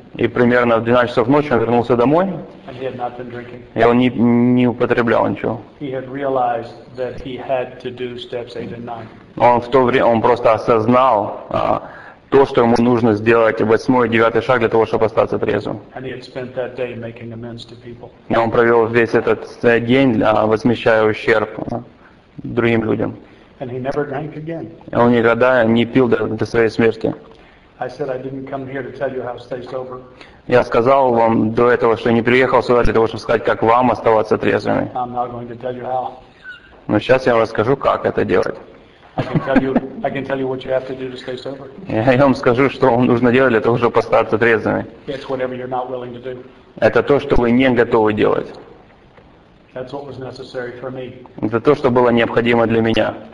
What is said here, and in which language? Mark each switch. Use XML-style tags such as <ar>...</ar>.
<ru>И примерно в 12 часов ночи он вернулся домой,</ru> <en>and he had not been drinking.</en> <ru>И он не употреблял ничего.</ru> <en>He had realized that he had to do steps 8 and 9.</en> <ru>Он в то время, он просто осознал то, что ему нужно сделать 8-й и 9-й шаг для того, чтобы остаться трезвым.</ru> <en>And he had spent that day making amends to people.</en> <ru>И он провел весь этот день, возмещая ущерб другим людям.</ru> <en>And he never drank again.</en> <ru>И он никогда не пил до своей смерти.</ru> <en>I said I didn't come here to tell you how to stay sober.</en> <ru>Я сказал вам до этого, что не приехал сюда для того, чтобы сказать, как вам оставаться трезвыми.</ru> <en>I'm not going to tell you how.</en> <ru>Но сейчас я вам расскажу, как это делать.</ru> <en>I can tell you what you have to do to stay sober.</en> <ru>Я вам скажу, что вам нужно делать для того, чтобы остаться трезвыми.</ru> <en>It's whatever you're not willing to do.</en> <ru>Это то, что вы не готовы делать.</ru> <en>That's what was necessary for me.</en> <ru>Это то, что было необходимо для меня.</ru>